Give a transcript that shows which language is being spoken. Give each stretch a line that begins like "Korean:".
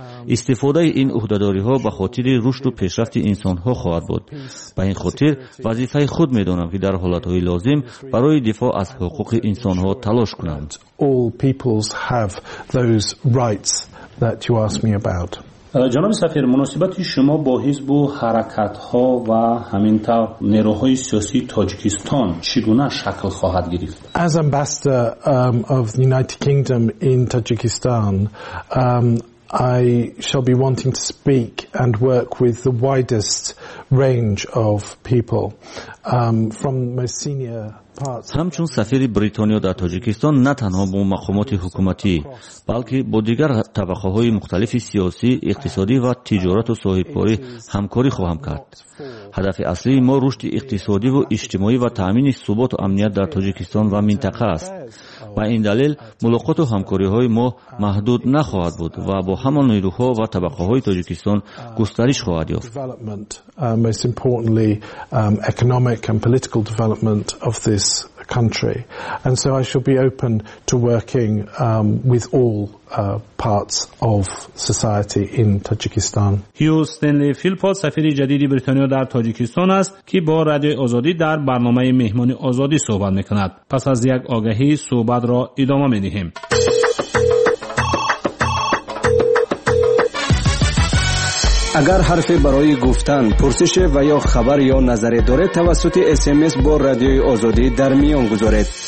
Persian: استفاده این عهده‌داری ها به خاطر رشد و پیشرفت انسان ها خواهد بود. به این خاطر وظیفه خود می دانم که در حالت های لازم برای دفاع از حقوق انسان ها تلاش کنم.
English: All peoples have those rights that you ask me about.
Persian: جناب سفیر، مناسبت شما با حزب و حرکت ها و همین تا نیروهای سیاسی تاجیکستان چگونه شکل خواهد گرفت؟
English: As ambassador of the United Kingdom in Tajikistan, I shall be wanting to speak and work with the widest range of people from most senior parts.
Tajik: Hamchun safiri Britaniya dar Tojikiston na tanho bo maqomati hukumati balki bo digar tabaqahoi mukhtalifi siyosi, iqtisodi va tijorat o sohibkori hamkori khoham kard. Hadafi asli mo rushd iqtisodi va ijtimoi va ta'min thubot o amniyat dar Tojikiston va mintaqa ast.
Persian: با این دلیل ملاقات و همکاری های ما محدود نخواهد بود و با همان نیروها و طبقه های تاجیکستان گسترش خواهد یافت.
English: Most importantly, economic and political development of this country. And so I shall be open to working with all parts of society in Tajikistan.
Persian: هیو استنلی فیلپوت سفیر جدید بریتانیا در تاجیکستان است که با رادیو آزادی در برنامه مهمان آزادی صحبت میکند. پس از یک آگهی صحبت را ادامه میدهیم. اگر حرفی برای گفتن، پرسش و یا خبر یا نظری دارید، توسط SMS با رادیوی آزادی در میان گذارید.